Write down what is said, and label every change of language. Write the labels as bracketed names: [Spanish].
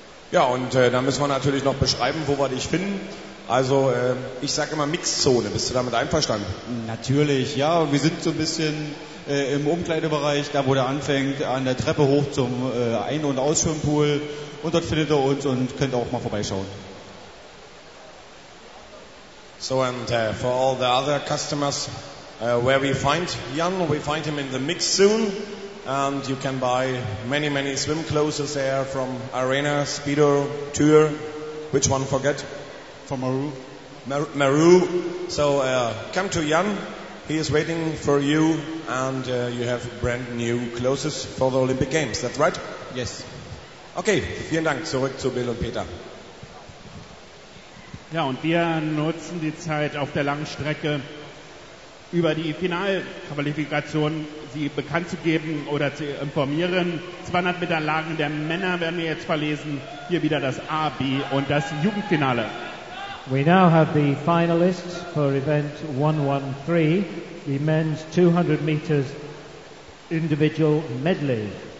[German] Ja, und da müssen wir natürlich noch beschreiben, wo wir dich finden. Also ich sage immer Mixzone, bist du damit einverstanden? Natürlich, ja, wir sind so ein bisschen im Umkleidebereich, da wo der anfängt, an der Treppe hoch zum Ein- und Ausschwimmpool. Und dort findet ihr uns und könnt auch mal vorbeischauen. [English] So, and for all the other customers, where we find Jan, we find him in the mix soon. And you can buy many, many swim clothes there from Arena, Speedo, Tour. Which one forget? From Maru. Maru. So, come to Jan. He is waiting for you, and you have brand new clothes for the Olympic Games. That's right? Yes. [German] Okay, vielen Dank. Zurück zu Bill und Peter. Ja, und wir nutzen die Zeit auf der langen Strecke, über die Finalqualifikation sie bekannt zu geben oder zu informieren. 200 Meter Lagen der Männer werden wir jetzt verlesen. Hier wieder das A, B und das Jugendfinale. [English] We now have the finalists for event 113, the men's 200 meters individual medley.